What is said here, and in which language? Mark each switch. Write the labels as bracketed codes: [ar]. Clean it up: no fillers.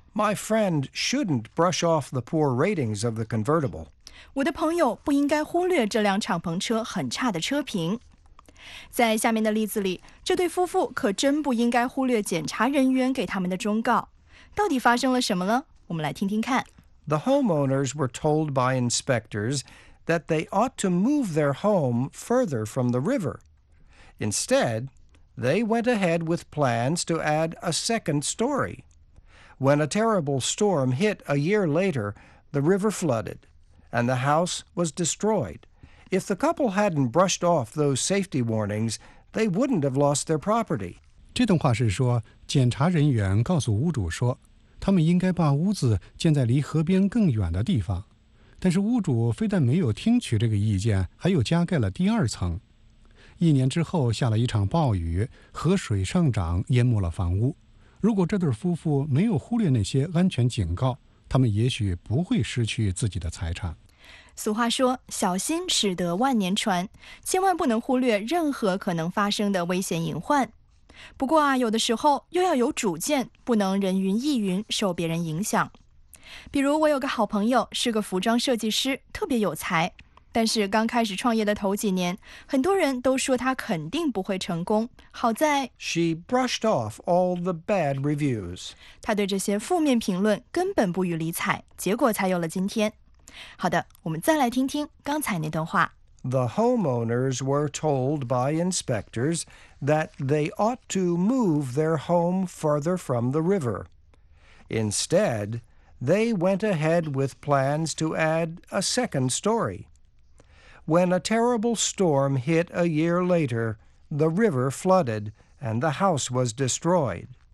[en] My friend shouldn't brush off the poor ratings of the convertible. [zh] 我的朋友不应该忽略这辆敞篷车很差的车评。在下面的例子里，这对夫妇可真不应该忽略检查人员给他们的忠告。到底发生了什么呢？我们来听听看。 [en] The homeowners were told by inspectors that they ought to move their home further from the river. Instead, they went ahead with plans to add a second story. When a terrible storm hit a year later, the river flooded, and the house was destroyed. If the couple hadn't brushed off those safety warnings, they wouldn't have lost their property. [zh] 这段话是说，检查人员告诉屋主说，他们应该把屋子建在离河边更远的地方。但是屋主非但没有听取这个意见，还又加盖了第二层。一年之后下了一场暴雨，河水上涨，淹没了房屋。如果这对夫妇没有忽略那些安全警告，他们也许不会失去自己的财产。俗话说，小心驶得万年船，千万不能忽略任何可能发生的危险隐患。不过啊，有的时候又要有主见，不能人云亦云，受别人影响。比如我有个好朋友，是个服装设计师，特别有才。但是刚开始创业的头几年，很多人都说他肯定不会成功。好在 [en] She brushed off all the bad reviews. [zh] 他对这些负面评论根本不予理睬，结果才有了今天。好的，我们再来听听刚才那段话。 [en] The homeowners were told by inspectors that they ought to move their home further from the river. Instead, they went ahead with plans to add a second story. When a terrible storm hit a year later, the river flooded and the house was destroyed.